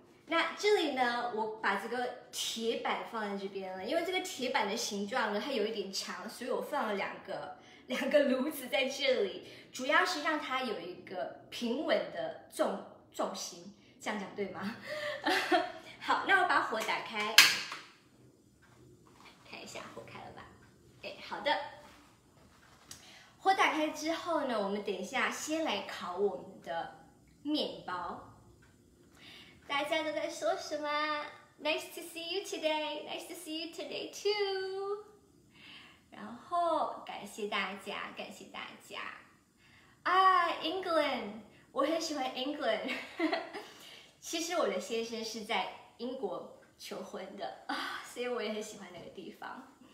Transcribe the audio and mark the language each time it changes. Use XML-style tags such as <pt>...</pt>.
<zh>那这里呢我把这个铁板放在这边了，因为这个铁板的形状呢它有一点长，所以我放了两个炉子在这里，主要是让它有一个平稳的重心，这样讲对吗？好，那我把火打开，看一下火开了吧。哎，好的，火打开之后呢，我们等一下先来烤我们的面包。大家都在说什么 ？</zh> <en>Nice to see you today. Nice to see you today too.</en> <zh>然后感谢大家，感谢大家。啊 ，England， 我很喜欢 England 。其实我的先生是在英国求婚的，所以我也很喜欢那个地方。</zh>